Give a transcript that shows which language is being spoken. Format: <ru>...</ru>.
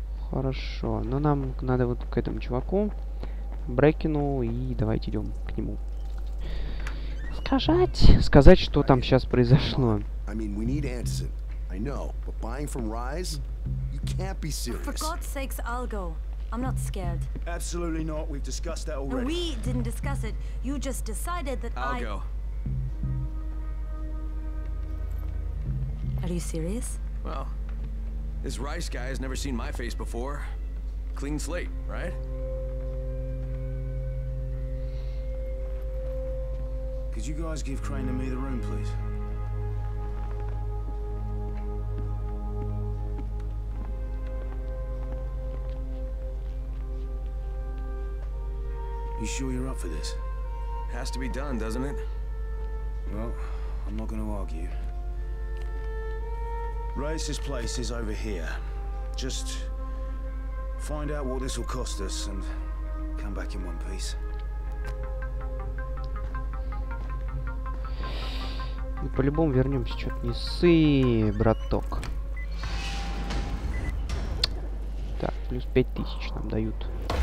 <ru>Хорошо, но нам надо вот к этому чуваку, Брекину, и давайте идем к нему. Сказать, что там сейчас произошло.</ru> <en>I mean, we need Anderson. I know, but buying from Rise? You can't be serious. For God's sakes, I'll go. I'm not scared. Absolutely not. We've discussed that already. No, we didn't discuss it. You just decided that I'll go. Are you serious? Well, this Rice guy has never seen my face before. Clean slate, right? Could you guys give Crane and me the room, please? You sure you're up for this? It has to be done, doesn't it? Well, I'm not gonna argue. Race's place is over here. Just find out what this will cost us and come back in one piece.</en> <ru>Ну, по-любому вернемся, чё-то не ссы, браток. Так, плюс 5000 нам дают.</ru>